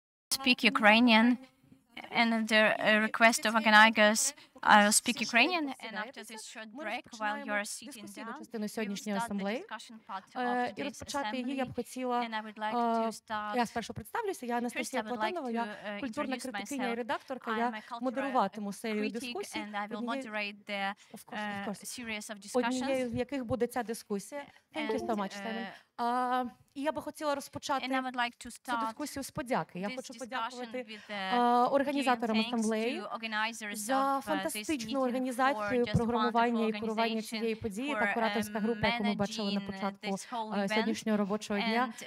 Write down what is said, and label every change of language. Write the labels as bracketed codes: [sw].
[en] speak Ukrainian, and at the request of organizers, I'll speak Ukrainian, and after this short break, while you're sitting down, we'll start the discussion part of today's assembly, and I would like to start... [uk] Я спершу представлюся, я Анастасія Платонова, я культурна критикиня і редакторка, я модеруватиму серію дискусій, [en] and I will moderate the series of discussions. [uk] Однією з яких буде ця дискусія. [en] Thank you so much, [uk] Стелі. І я би хотіла розпочати [en] like [uk] цю дискусію з подяки. Я хочу подякувати організаторам асамблеї за фантастичну організацію програмування і курування цієї події та кураторська група, яку ми бачили на початку сьогоднішнього робочого дня.